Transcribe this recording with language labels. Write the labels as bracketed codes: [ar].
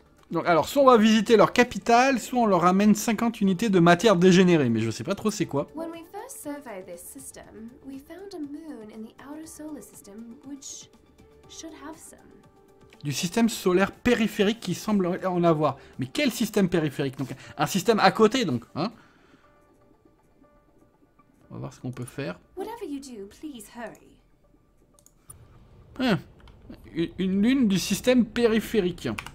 [fr] Donc, alors, soit on va visiter leur capitale, soit on leur amène 50 unités de matière dégénérée, mais je sais pas trop c'est quoi. [en] When we first surveyed this system, we found a moon in the outer solar system, which should have some. [fr] Du système solaire périphérique qui semble en avoir. Mais quel système périphérique? Donc, un système à côté, donc, hein? On va voir ce qu'on peut faire. [en] Whatever you do, please hurry. [fr] Hein. Une lune du système périphérique.